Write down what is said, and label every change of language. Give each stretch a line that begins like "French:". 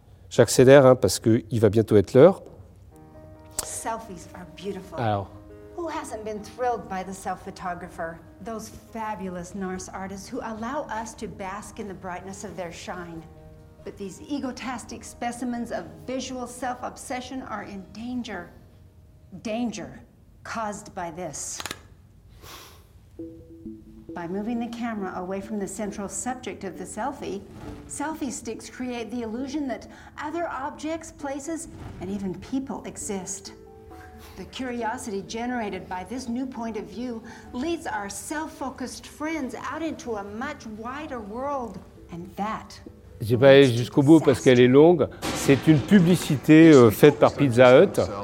French: J'accélère hein, parce qu'il va bientôt être l'heure.
English: Selfies are beautiful.
French: Alors.
English: Who hasn't been thrilled by the self-photographer? Those fabulous Norse artists who allow us to bask in the brightness of their shine. But these egotastic specimens of visual self-obsession are in danger. Danger caused by this. By moving the camera away from the central subject of the selfie, selfie sticks create the illusion that other objects, places, and even people exist. The curiosity generated by this new point of view leads our self-focused friends out into a much wider world, and that...
French: Je vais aller jusqu'au bout parce qu'elle est longue. C'est une publicité faite par Pizza Hut.